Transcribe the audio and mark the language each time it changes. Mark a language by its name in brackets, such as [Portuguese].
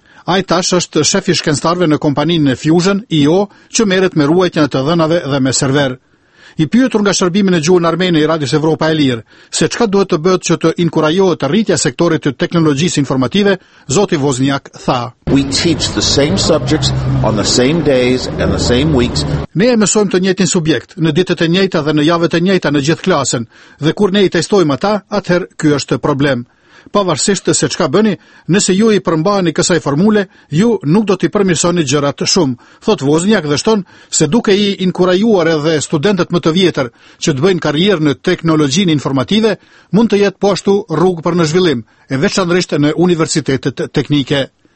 [Albanian] A i tash është shefi shkenstarve në kompaninë Fusion, IO, që meret me ruajtjen e të dhënave dhe me server. I pyetur nga shërbimin e gjuhën armene i Radios Evropa e Lirë, se çka duhet të bëhet që të inkurajohet rritja e sektorit të teknologjisë informative, zoti Wozniak tha: [English] "We teach the same subjects on the same days and the same weeks." [Albanian] Ne e mësojmë të njëjtin subjekt në ditët e njëjta dhe në javët e njëjta në gjithë klasën, dhe kur ne i testojmë ata, atëherë ky është problem. Pavarësisht se çka bëni, nëse ju i përmbani kësaj formule, ju nuk do t'i përmirësoni gjërat shumë, thot Wozniak dhe shton se duke i inkurajuar edhe studentët më të vjetër që të bëjnë karrierë në teknologjinë informative, mund të jetë po ashtu rrugë për në zhvillim, e veçanërisht në universitetet teknike.